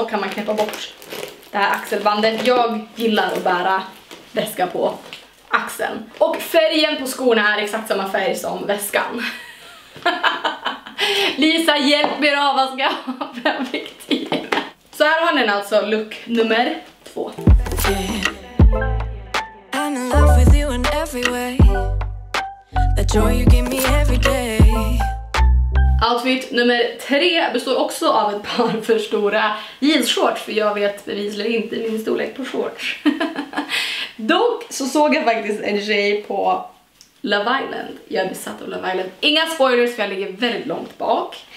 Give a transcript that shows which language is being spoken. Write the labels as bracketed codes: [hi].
[sv] Kan man knäppa bort det här axelbandet. Jag gillar att bära väska på axeln. Och färgen på skorna är exakt samma färg som väskan. Lisa, hjälp mig då, vad ska jag ha för en viktig. Så här har ni alltså look nummer 2. [en] I'm in love with you in every way. The joy you give me every day. [sv] Outfit nummer 3 består också av ett par för stora jeansshorts, för jag vet bevisligen inte min storlek på shorts. Dock så såg jag faktiskt en tjej på Love Island. Jag är besatt av Love Island. Inga spoilers för jag ligger väldigt långt bak.